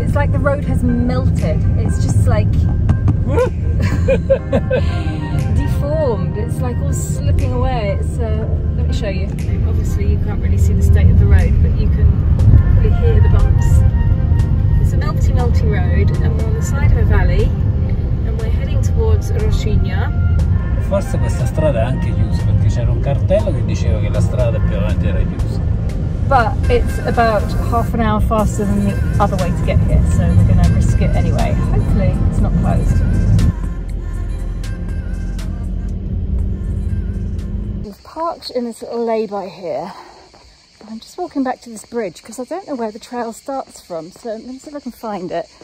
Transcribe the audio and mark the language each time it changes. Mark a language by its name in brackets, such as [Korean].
[English] It's like the road has melted. It's just like deformed. It's like all slipping away. So let me show you. Obviously you can't really see the state of the road, but you can probably hear the bumps. It's a melty, melty road, and we're on the side of a valley. Towards Roscigno. [Italian] Forse questa strada è anche chiusa perché c'era un cartello che diceva che la strada più avanti era chiusa. [English] But it's about half an hour faster than the other way to get here, so we're gonna risk it anyway. Hopefully it's not closed. We've parked in this little lay-by here. I'm just walking back to this bridge because I don't know where the trail starts from, so let me see if I can find it.